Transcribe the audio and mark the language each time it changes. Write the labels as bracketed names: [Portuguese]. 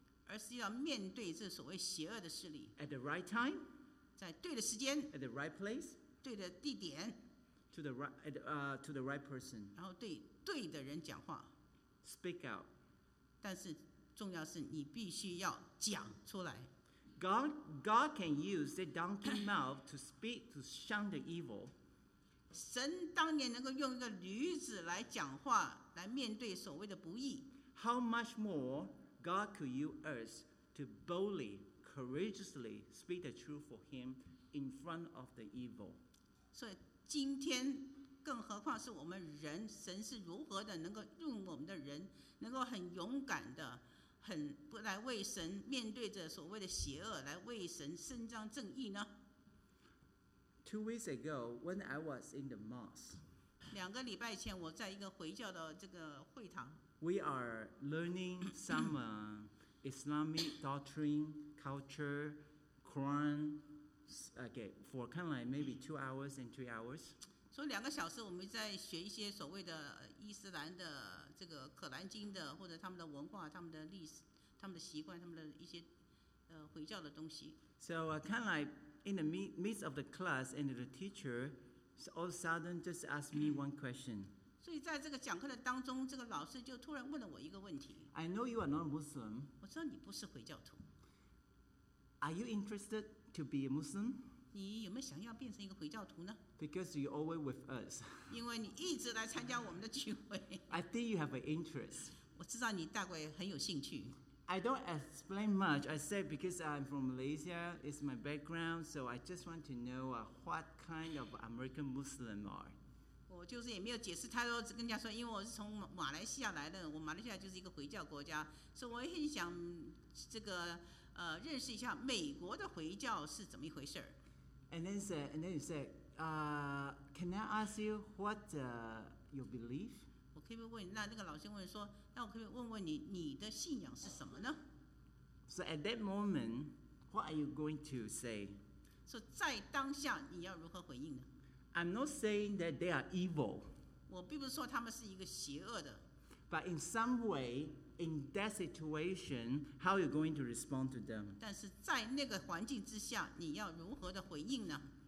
[Chinese] 而是要面对这所谓邪恶的势力。 [English] At the right time. [Chinese] 在对的时间 [English] at the right place [Chinese] 对的地点 [English] to the right person [Chinese] 然后对对的人讲话 [English] speak out [Chinese] 但是重要是你必须要讲出来 [English] God can use the donkey mouth to speak to shun the evil [Chinese] 神当年能够用一个驴子来讲话来面对所谓的不义 [English] How much more God could use us to boldlyCourageously speak the truth for him in front of the evil. [Chinese] So, 今天更何况是我们人，神是如何的能够用我们的人，能够很勇敢的，很来为神面对着所谓的邪恶，来为神伸张正义呢 [English] ？2 weeks ago, when I was in the mosque, [Chinese] 两个礼拜前我在一个回教的这个会堂。 [English] We are learning some. Islamic doctrine, culture, Quran, okay, for kind of like maybe 2 hours and 3 hours. [Chinese] So, 两个小时我们在学一些所谓的伊斯兰的这个可兰经的或者他们的文化他们的历史他们的习惯他们的一些回教的东西。 [English] So, kind of like in the midst of the class and the teacher all of a sudden just asked me one question. [Chinese] 所以在这个讲课的当中这个老师就突然问了我一个问题。 [English] I know you are not Muslim. [Chinese] 我知道你不是回教徒。 [English] Are you interested to be a Muslim? [Chinese] 你有没有想要变成一个回教徒呢？ [English] Because you're always with us. [Chinese] 因为你一直来参加我们的聚会。 [English] I think you have an interest. [Chinese] 我知道你大概很有兴趣。 [English] I don't explain much. I said because I'm from Malaysia, it's my background, so I just want to know what kind of American Muslim are. [Chinese] 我就是也没有解释太多，只跟人家说，因为我是从马来西亚来的，我马来西亚就是一个回教国家，所以我很想这个认识一下美国的回教是怎么一回事。 [English] And then you said, can I ask you what your belief? [Chinese] 我可以问，那个老师问说，那我可以问问你，你的信仰是什么呢？ [English] So at that moment, what are you going to say? [Chinese] 所以在当下你要如何回应呢？ [English] I'm not saying that they are evil. [Chinese] 我并不是说他们是一个邪恶的。 [English] But in some way, in that situation, how are you going to respond to them? [Chinese] 但是在那个环境之下，你要如何的回应呢？